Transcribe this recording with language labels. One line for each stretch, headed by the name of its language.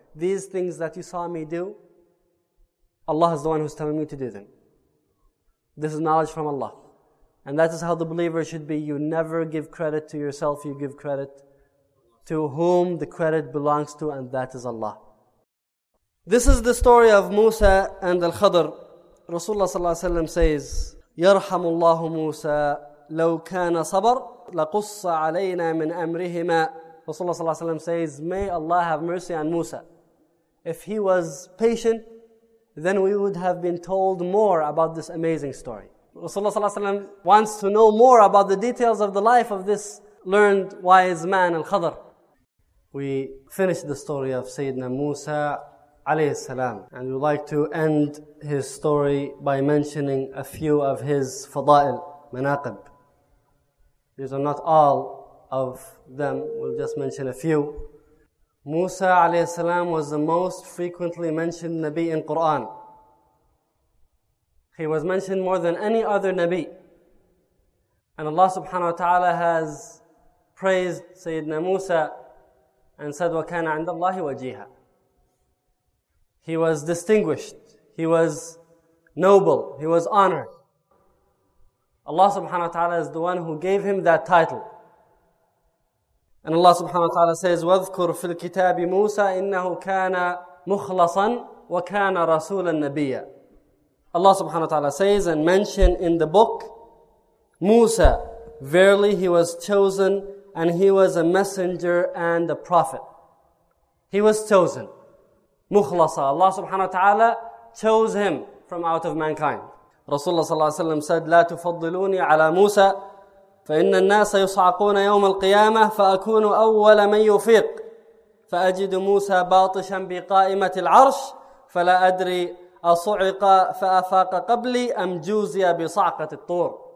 English: These things that you saw me do, Allah is the one who's telling me to do them. This is knowledge from Allah. And that is how the believer should be. You never give credit to yourself, you give credit to whom the credit belongs to, and that is Allah. This is the story of Musa and Al-Khadr. Rasulullah sallallahu alayhi wa sallam says,
Arabic: يَرْحَمُ اللَّهُ مُوسَى لَوْ كَانَ صَبَرْ لَقُصَّ عَلَيْنَا مِنْ أَمْرِهِمَا.
English: Rasulullah sallallahu alayhi wa sallam says, may Allah have mercy on Musa. If he was patient, then we would have been told more about this amazing story. Rasulullah sallallahu alayhi wa sallam wants to know more about the details of the life of this learned wise man, Al-Khadr. We finished the story of Sayyidina Musa alayhi salam, and we'd like to end his story by mentioning a few of his fada'il, manaqib. These are not all of them, we'll just mention a few. Musa alayhi salam was the most frequently mentioned Nabi in Quran. He was mentioned more than any other Nabi. And Allah subhanahu wa ta'ala has praised Sayyidina Musa and said,
Arabic: وَكَانَ عِنْدَ اللَّهِ وَجِيهًا.
English: He was distinguished. He was noble. He was honored. Allah subhanahu wa ta'ala is the one who gave him that title. And Allah subhanahu wa ta'ala says,
Arabic: وَذْكُرْ فِي الْكِتَابِ مُوسَى إِنَّهُ كَانَ مُخْلَصًا وَكَانَ رَسُولًا نَبِيًّا.
English: Allah subhanahu wa ta'ala says, and mention in the book, Musa, verily he was chosen and he was a messenger and a prophet. He was chosen. مُخْلَصًا. Allah subhanahu wa ta'ala chose him from out of mankind. Rasulullah sallallahu alayhi wa sallam said,
Arabic: لَا تُفَضِّلُونِي عَلَى مُوسَى فَإِنَّ النَّاسَ يُصْعَقُونَ يَوْمَ الْقِيَامَةِ فَأَكُونُ أَوَّلَ مَنْ يُفِيقُ فَأَجِدُ مُوسَى بَاطِشًا بِقَائِمَةِ الْعَرْشِ فَلَا أَدْرِي أَصُعِقَ فَأَفَاقَ قَبْلِي أَمْ جُوزِيَ بِصَعْقَةِ الطُّورِ.